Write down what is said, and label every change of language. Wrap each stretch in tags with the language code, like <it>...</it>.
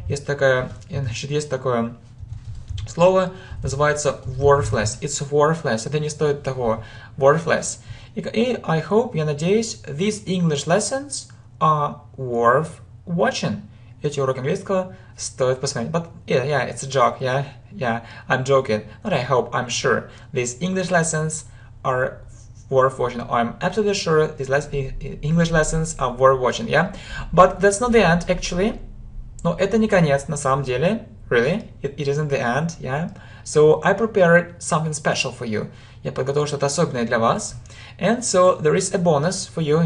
<ru>Есть такое, значит, есть такое слово, называется worthless.</ru> <en>It's worthless.</en> <ru>Это не стоит того.</ru> <en>Worthless. И I hope,</en> <ru>я надеюсь,</ru> <en>these English lessons are worth watching.</en> <ru>Эти уроки английского стоит посмотреть.</ru> <en>But yeah, yeah, it's a joke. Yeah, yeah, I'm joking. But I hope, I'm sure, these English lessons are worth watching. I'm absolutely sure these English lessons are worth watching, yeah? But that's not the end, actually.</en> <ru>Но это не конец, на самом деле.</ru> <en>Really? It isn't the end, yeah? So, I prepared something special for you.</en> <ru>Я подготовил что-то особенное для вас.</ru> <en>And so, there is a bonus for you.</en>